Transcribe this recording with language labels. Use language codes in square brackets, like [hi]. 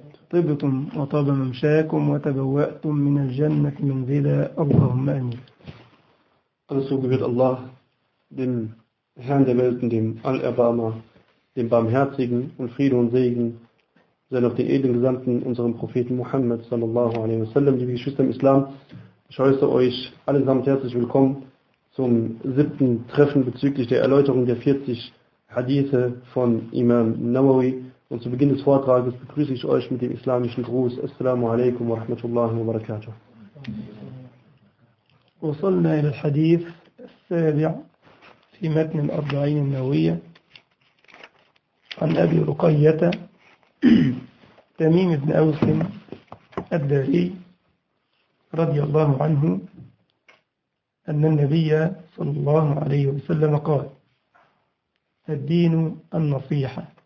[ar] طبتم وطاب ممشاكم وتبوأتم من الجنة منزلا، اللهم آمين. [de] أرجو gebührt Allah dem Herrn der Welten, dem Allerbarmer, dem Barmherzigen, und Friede und Segen sei auf den edlen Gesandten, unserem Propheten Muhammad sallallahu alaihi wasallam. Liebe Geschwister im Islam, ich heiße euch allesamt herzlich willkommen zum siebten Treffen bezüglich der Erläuterung der 40 Hadithe von Imam Nawawi. Und zu Beginn des Vortrages begrüße ich euch mit dem islamischen Gruß. [ar] Assalamu alaikum wa rahmatullahi wa barakatuh. وصلنا إلى الحديث السابع في متن الأربعين النووية عن أبي رقية تميم بن أوس الداري رضي الله عنه أن النبي صلى الله عليه وسلم قال: الدين النصيحة.